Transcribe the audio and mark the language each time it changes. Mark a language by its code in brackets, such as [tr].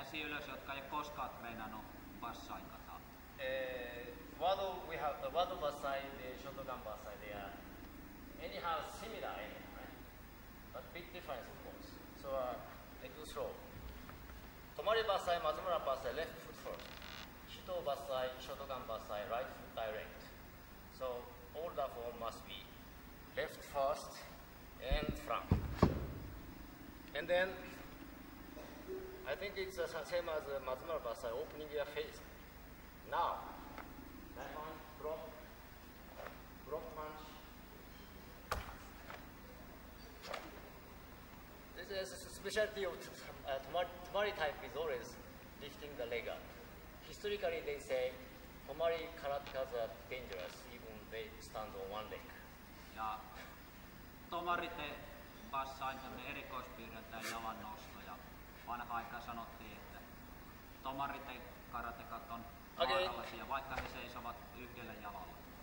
[fi] käsi ylös, jotka ei koskaan treenannut bassain kata. [en] Wadu, we have the wadu bassai, the shotokan bassai, they are anyhow similar, right? But big difference, of course. So, let you throw. Tomari bassai, Matsumura bassai, left foot first. Shito bassai, shotokan bassai, right foot direct. So, all the form must be left first and front. And then, I think it's the same as Matsumura bassai, opening your face. Now, left hand, block, block punch. This is a specialty of Tomari type is always lifting the leg up. Historically, they say Tomari karatekas are dangerous, even they stand on one leg. Yeah. [fi] Tomari te bassain tämmöinen erikoispiirre tai jalan nosto ja vanha aika sanottiin, että tomarit ja karatekat on vaarallisia, okay. Vaikka he seisovat yhdellä jalalla.